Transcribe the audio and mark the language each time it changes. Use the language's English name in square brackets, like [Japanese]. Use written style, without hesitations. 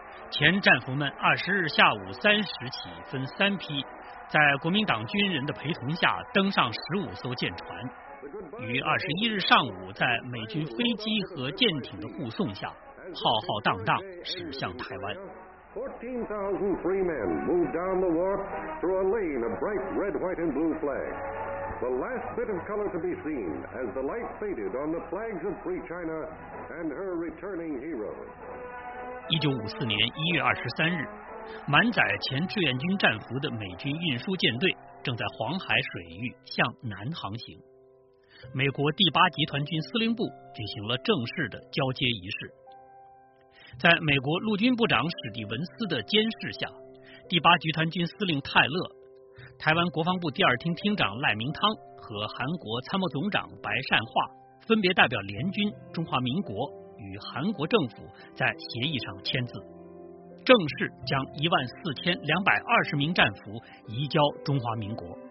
[Chinese] 前战俘们20日下午3时起分3批，在国民党军人的陪同下登上15艘舰船，于21日上午在美军飞机和舰艇的护送下，浩浩荡荡驶向台湾。 [English] 14,000 free men moved down the wharf through a lane of bright red, white, and blue flags. The last bit of color to be seen as the light faded on the flags of free China and her returning heroes. [Chinese] 1954年1月23日，满载前志愿军战俘的美军运输舰队正在黄海水域向南航行。美国第八集团军司令部举行了正式的交接仪式。在美国陆军部长史蒂文斯的监视下，第八集团军司令泰勒、台湾国防部第二厅厅长赖明汤和韩国参谋总长白善化分别代表联军、中华民国与韩国政府在协议上签字，正式将14220名战俘移交中华民国。